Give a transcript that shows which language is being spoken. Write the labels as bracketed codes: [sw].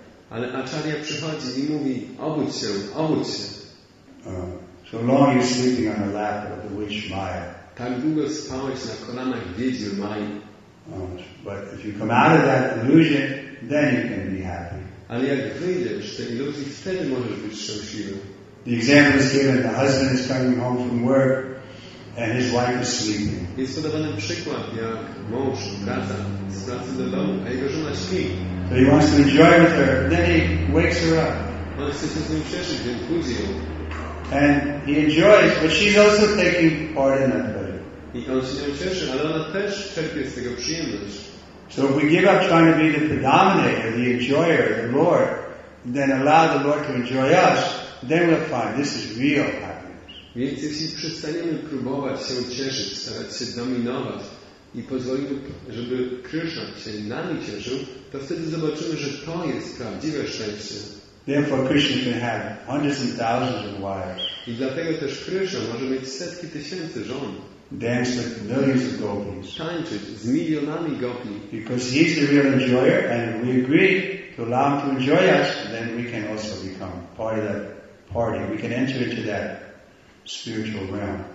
[pl] Ale Acharya przychodzi i mówi: obudź się, obudź się. [en] So long you're sleeping on the lap of the witch Maya. [pl] Tak długo spałeś na kolanach wiedźmy Maji. [en] But if you come out of that illusion, then you can be happy. [pl] Ale jak wyjdziesz z tej iluzji, wtedy możesz być szczęśliwy. [en] The example is given: the husband is coming home from work, and his wife is sleeping. [pl] Jest podawany przykład, jak mąż wraca z pracy do domu, a jego żona śpi. [en] So he wants to enjoy with her, then he wakes her up. [pl] On chce się z nią cieszyć, więc budzi ją. [en] And he enjoys, but she's also taking part in that pleasure. [pl] I on się z nią cieszy, ale ona też czerpie z tego przyjemność. [en] So if we give up trying to be the predominator, the enjoyer, the Lord, then allow the Lord to enjoy us. Then we'll find this is real happiness. [pl] Więc jeśli przestaniemy próbować się cieszyć, starać się dominować i pozwolimy, żeby Krishna się nami cieszył, to wtedy zobaczymy, że to jest prawdziwe szczęście. [en] Therefore Krishna can have hundreds and thousands of wives. [pl] I dlatego też Krishna może mieć setki tysięcy żon. [en] Dance with millions of gopis. [pl] Tańczyć z milionami gopi. [en] Because he is the real enjoyer, and we agree to allow him to enjoy us, then we can also become part of that party. We can enter into that spiritual realm.